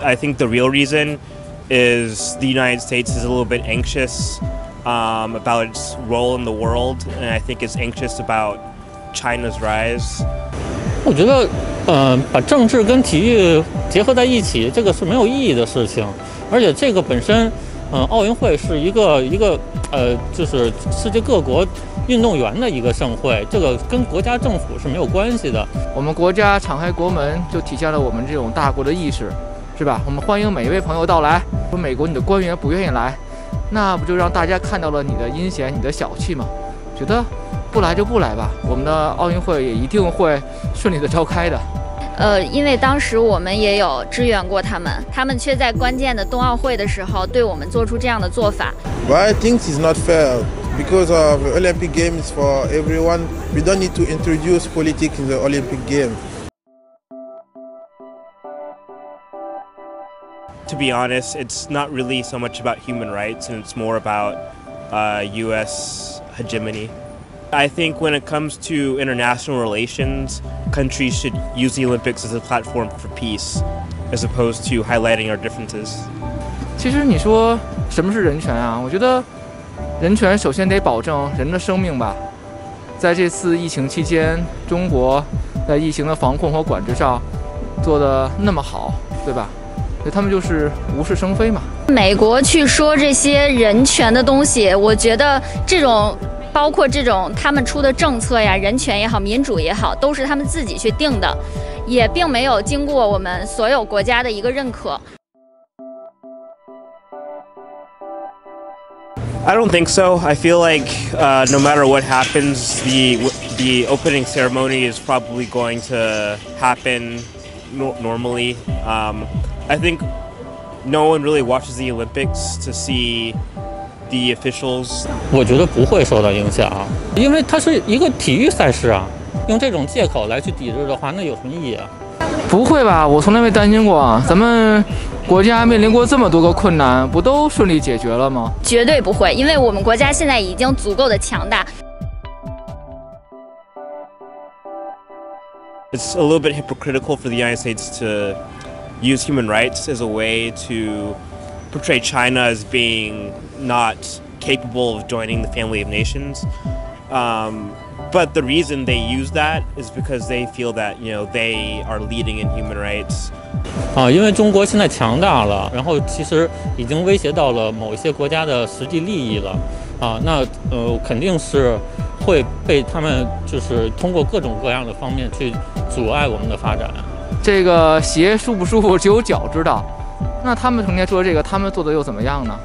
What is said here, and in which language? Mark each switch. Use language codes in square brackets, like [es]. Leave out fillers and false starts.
[en] I think the real reason is the United States is a little bit anxious about its role in the world, and I think it's anxious about China's rise. I think putting politics and sports together is a meaningless thing. And this itself, the Olympics is a world-renowned event. [zh] 运动员的一个盛会，这个跟国家政府是没有关系的。我们国家敞开国门，就体现了我们这种大国的意识，是吧？我们欢迎每一位朋友到来。如果美国你的官员不愿意来，那不就让大家看到了你的阴险、你的小气吗？觉得不来就不来吧，我们的奥运会也一定会顺利的召开的。因为当时我们也有支援过他们，他们却在关键的冬奥会的时候对我们做出这样的做法。 [en] Why things is not fair? Because of Olympic Games for everyone, we don't need to introduce politics in the Olympic Games. To be honest, it's not really so much about human rights, and it's more about US hegemony. I think when it comes to international relations, countries should use the Olympics as a platform for peace, as opposed to highlighting our differences. [zh] 其实你说什么是人权啊？我觉得人权首先得保证人的生命吧。在这次疫情期间，中国在疫情的防控和管制上做得那么好，对吧？所以他们就是无事生非嘛。美国去说这些人权的东西，我觉得这种包括这种他们出的政策呀，人权也好，民主也好，都是他们自己去定的，也并没有经过我们所有国家的一个认可。 [en] I don't think so. I feel like no matter what happens, the opening ceremony is probably going to happen normally. I think no one really watches the Olympics to see the officials. [zh] 我觉得不会受到影响，因为它是一个体育赛事啊。用这种借口来去抵制的话，那有什么意义啊？不会吧？我从来没担心过。咱们国家面临过这么多个困难，不都顺利解决了吗？绝对不会，因为我们国家现在已经足够的强大。 [en] It's a little bit hypocritical for the United States to use human rights as a way to portray China as being not capable of joining the family of nations. But the reason they use that is because they feel that, you know, they are leading in human rights. [zh] 啊，因为中国现在强大了，然后其实已经威胁到了某一些国家的实际利益了，啊，那肯定是会被他们就是通过各种各样的方面去阻碍我们的发展。这个鞋舒不舒服只有脚知道。那他们成天说这个，他们做的又怎么样呢？